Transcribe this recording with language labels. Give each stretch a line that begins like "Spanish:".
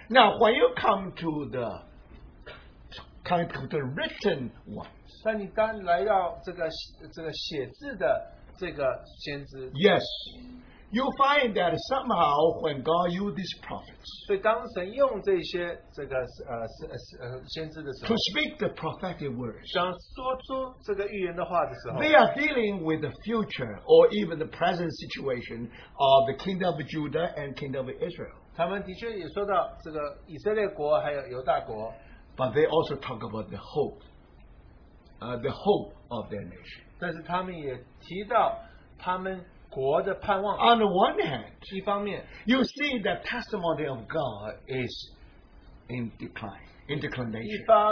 English: Now when you come to the kind of the written one,
Chinese: 但你刚来到这个写字的这个先知,
English: yes, you find that somehow when God used these prophets,
Chinese: 所以当神用这些这个先知的时候,
English: to speak the prophetic words,
Chinese: 当说出这个预言的话的时候,
English: they are dealing with the future or even the present situation of the kingdom of Judah and kingdom of Israel.
Chinese: 他们的确也说到这个以色列国还有犹大国,
English: but they also talk about the hope. The hope of their nation.
Chinese: 但是他们也提到他们国的盼望。
English: On the one hand,
Chinese: 一方面,
English: you see the testimony of God is in decline, in declination.